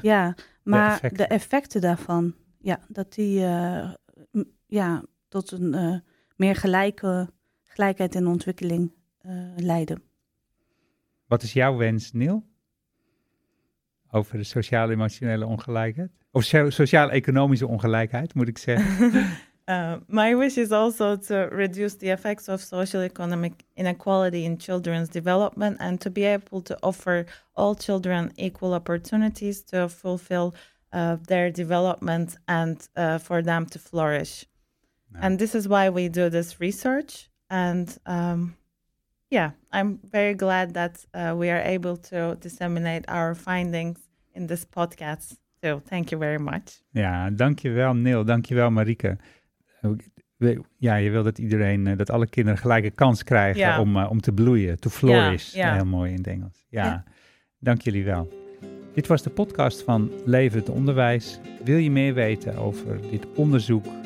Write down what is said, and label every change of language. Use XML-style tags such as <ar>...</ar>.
<nl>Ja, maar de effecten daarvan, ja, dat die tot een meer gelijkheid in ontwikkeling leiden. Wat is jouw wens, Neil? Over de sociaal-emotionele ongelijkheid? Of sociaal-economische ongelijkheid, moet ik zeggen.</nl> <en>My wish is also to reduce the effects of socioeconomic inequality in children's development and to be able to offer all children equal opportunities to fulfill their development and for them to flourish. No. And this is why we do this research. And I'm very glad that we are able to disseminate our findings in this podcast. So thank you very much.</en> <nl>Ja, dankjewel Neil. Dankjewel Marieke. Ja, je wil dat iedereen, dat alle kinderen gelijke kans krijgen om te bloeien.</nl> <en>To flourish,</en> <nl>heel mooi in het Engels. Ja, dank jullie wel. Dit was de podcast van Levend Onderwijs. Wil je meer weten over dit onderzoek?</nl>